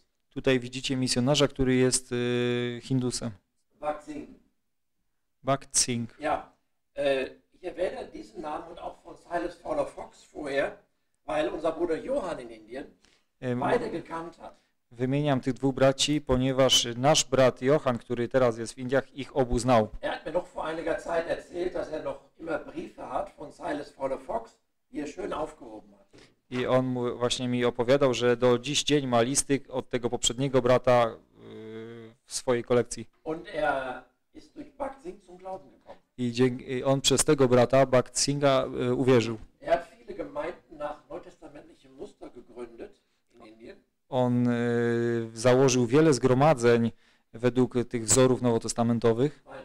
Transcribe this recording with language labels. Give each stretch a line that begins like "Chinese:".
Polish: Tutaj widzicie misjonarza, który jest Hindusem. Bhakt Singh.
German: Ja. Ich erwähne diesen Namen und auch von Silas Fowler Fox vorher, weil unser Bruder Johann in Indien beide gekannt hat.
Polish: Wymieniam tych dwóch braci, ponieważ nasz brat Johann, który teraz jest w Indiach, ich obu znał.
German: Er hat mir noch vor einiger Zeit erzählt, dass er noch immer Briefe hat von Silas Fowler Fox, die er schön aufgehoben hat.
Polish: I on właśnie mi opowiadał, że do dziś dzień ma listy od tego poprzedniego brata w swojej kolekcji.
German: Und er ist durch Bhakt Singh zum Glauben gekommen.
Polish: I dzięki, on przez tego brata, Bhakt Singha, uwierzył.
German: Er hat viele Gemeinden nach neutestamentlichem Muster gegründet in Indien.
Polish: On założył wiele zgromadzeń według tych wzorów nowotestamentowych.